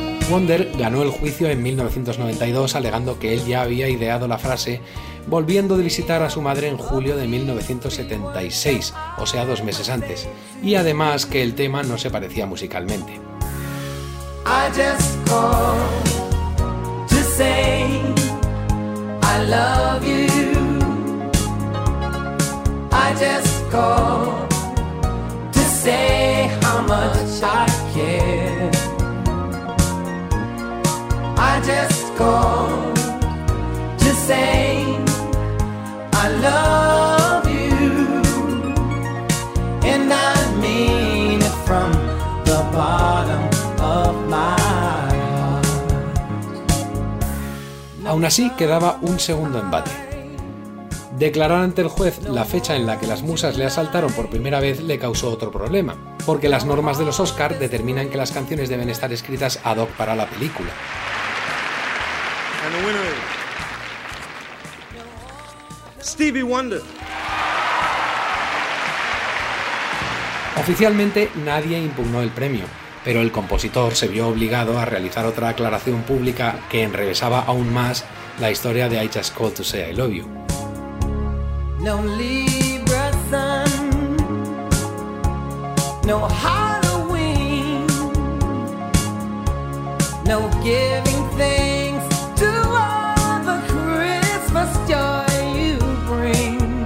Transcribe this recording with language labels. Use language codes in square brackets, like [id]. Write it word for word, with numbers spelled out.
[es] Wonder ganó el juicio en mil novecientos noventa y dos alegando que él ya había ideado la frase volviendo de visitar a su madre en julio de mil novecientos setenta y seis, o sea dos meses antes, y además que el tema no se parecía musicalmente. [en] I just called to say I love you. I just called to say how much I care. I just called to say I love you, and I mean it from the bottom of my heart. [es] Aún así quedaba un segundo embate. Declarar ante el juez la fecha en la que las musas le asaltaron por primera vez le causó otro problema, porque las normas de los Oscar determinan que las canciones deben estar escritas ad hoc para la película. [en] And the winner is Stevie Wonder. [es] Oficialmente nadie impugnó el premio, pero el compositor se vio obligado a realizar otra aclaración pública que enrevesaba aún más la historia de I Just Called to Say I Love You. [en] No Libra sun, no Halloween, no giving thanks to all the Christmas joy you bring.